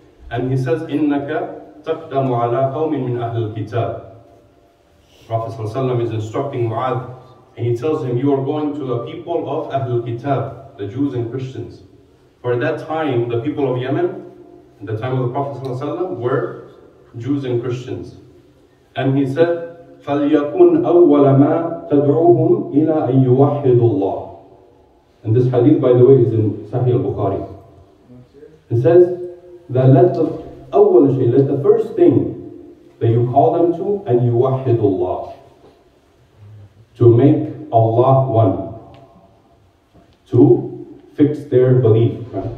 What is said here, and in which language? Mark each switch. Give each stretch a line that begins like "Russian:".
English: And he says,
Arabic: إِنَّكَ تَقْدَمُ عَلَىٰ قَوْمٍ مِّنْ أَهْلِ الْكِتَابِ.
English: Prophet ﷺ is instructing Mu'adh, and he tells him, you are going to the people of Ahlul Kitab, the Jews and Christians. For at that time, the people of Yemen, in the time of the Prophet ﷺ, were Jews and Christians. And he said,
Arabic: فَلْيَكُنْ أَوَّلَ مَا تَدْعُوهُمْ إِلَىٰ أَن يُوَحِّدُ اللَّهِ.
English: And this hadith, by the way, is in Sahih al-Bukhari. It says that let the first thing that you call them to, and you wahidullah, to make Allah one, to fix their belief.